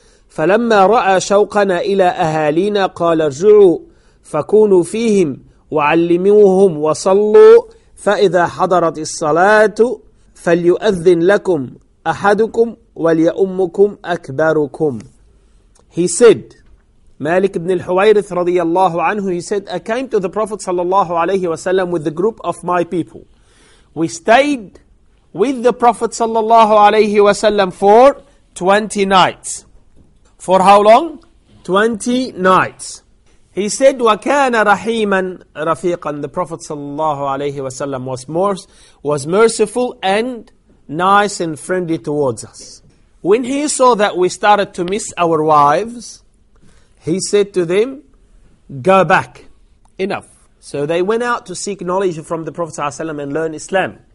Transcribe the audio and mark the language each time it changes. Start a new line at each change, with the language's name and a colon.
Arabic: فلما رأى شوقنا إلى أهالينا قال ارجعوا فكونوا فيهم وعلموهم وصلوا فإذا حضرت الصلاة فليؤذن لكم أحدكم وليأمكم أكبركم.
English: He said, Malik ibn al-Huwairith radiyallahu anhu, he said, I came to the Prophet sallallahu alayhi wa sallam with the group of my people. We stayed with the Prophet sallallahu alayhi wa sallam for 20 nights. For how long? 20 nights. He said,
Arabic: وَكَانَ رَحِيمًا رَفِيقًا.
English: The Prophet sallallahu alayhi wa sallam was merciful and nice and friendly towards us. When he saw that we started to miss our wives, he said to them, go back. Enough. So they went out to seek knowledge from the Prophet ﷺ and learn Islam.